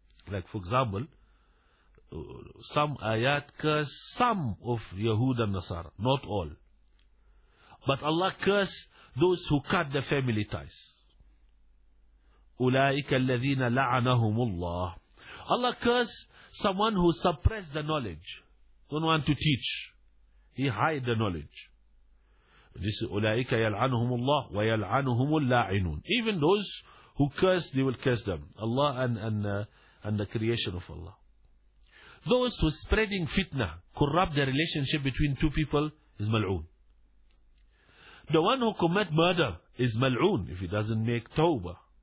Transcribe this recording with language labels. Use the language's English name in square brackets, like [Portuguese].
[English] Like for example, some ayat curse some of Yahud and Nasara, not all. But Allah curse those who cut the family ties. [Arabic] أُولَٰئِكَ الَّذِينَ لَعَنَهُمُ اللَّهُ. [English] Allah curse someone who suppressed the knowledge. Don't want to teach. He hide the knowledge. This is [Arabic] أُولَٰئِكَ يَلْعَنُهُمُ اللَّهُ وَيَلْعَنُهُمُ اللَّاعِنُونَ. [English] Even those who curse, they will curse them. Allah and the creation of Allah. Those who are spreading fitna, corrupt the relationship between two people, is mal'oon. The one who commit murder is mal'oon if he doesn't make tawbah.